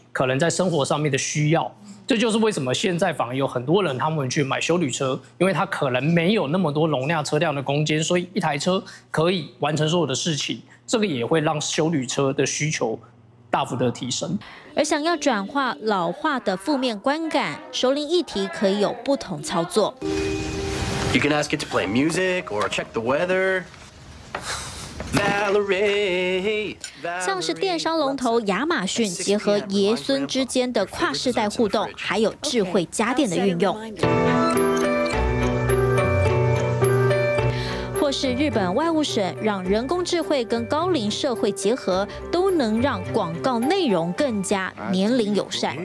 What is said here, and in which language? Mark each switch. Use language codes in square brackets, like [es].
[zh] 可能在生活上面的需要。这就是为什么现在反而有很多人他们去买休旅车，因为他可能没有那么多容量车辆的空间，所以一台车可以完成所有的事情，这个也会让休旅车的需求大幅的提升。而想要转化老化的负面观感，熟龄议题可以有不同操作。 [en] You can ask it to play music or check the weather. Valerie. [zh] 像是电商龙头亚马逊结合爷孙之间的跨世代互动，还有智慧家电的运用。是日本外务省让人工智慧跟高龄社会结合，都能让广告内容更加年龄友善，